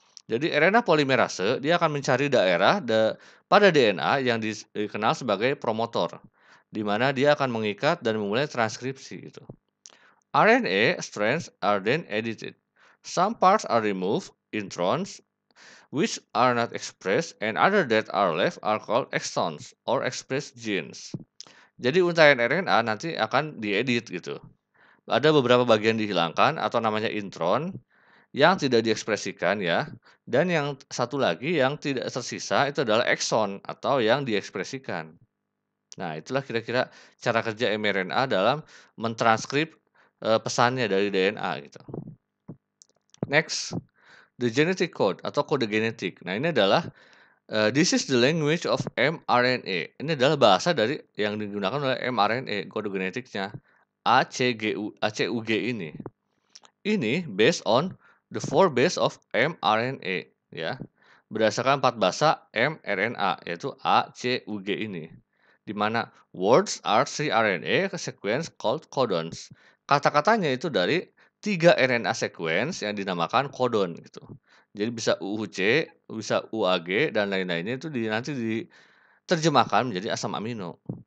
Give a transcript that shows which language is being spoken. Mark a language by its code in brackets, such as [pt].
[id] Jadi RNA polimerase, dia akan mencari daerah pada DNA yang dikenal sebagai promotor, di mana dia akan mengikat dan memulai transkripsi. Gitu. [en] RNA strands are then edited. Some parts are removed, introns, which are not expressed, and other that are left are called exons, or expressed genes. [id] Jadi untaian RNA nanti akan diedit gitu. Ada beberapa bagian dihilangkan atau namanya intron yang tidak diekspresikan ya. Dan yang satu lagi yang tidak tersisa itu adalah exon atau yang diekspresikan. Nah, itulah kira-kira cara kerja mRNA dalam mentranskrip pesannya dari DNA gitu. [en] Next, the genetic code [id] atau kode genetik. Nah, ini adalah [en] this is the language of mRNA. [id] Ini adalah bahasa dari yang digunakan oleh mRNA, kode genetiknya ACUG ini. [en] Ini based on the four base of mRNA, ya. [id] Berdasarkan empat bahasa mRNA, yaitu ACUG ini. Di mana [en] words are three RNA sequence called codons. [id] Kata-katanya itu dari 3 RNA sequence yang dinamakan kodon gitu. Jadi bisa UUC, bisa UAG dan lain-lainnya itu nanti diterjemahkan menjadi asam amino.